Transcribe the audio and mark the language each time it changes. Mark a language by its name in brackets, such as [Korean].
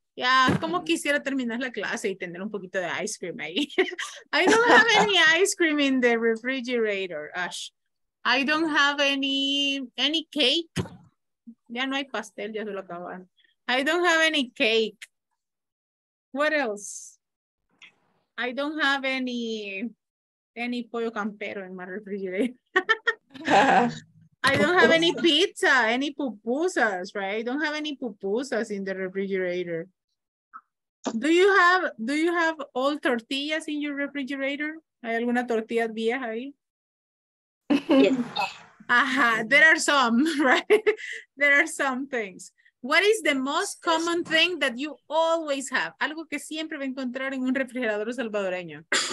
[Spanish] Yeah, como quisiera terminar la clase y tener un poquito de ice cream ahí. [English] I don't have any ice cream in the refrigerator. Ash. I don't have any cake. [Spanish] Ya no hay pastel, ya se lo acaban. [English] I don't have any cake. What else? I don't have any pollo campero in my refrigerator. I don't have any pizza, any pupusas, right? I don't have any pupusas in the refrigerator. Do you have all tortillas in your refrigerator? [Spanish] ¿Hay alguna tortilla vieja ahí? [English] Yes. Aha, there are some, right? There are some things. What is the most common thing that you always have? [Spanish] Algo que siempre va a encontrar en un refrigerador salvadoreño.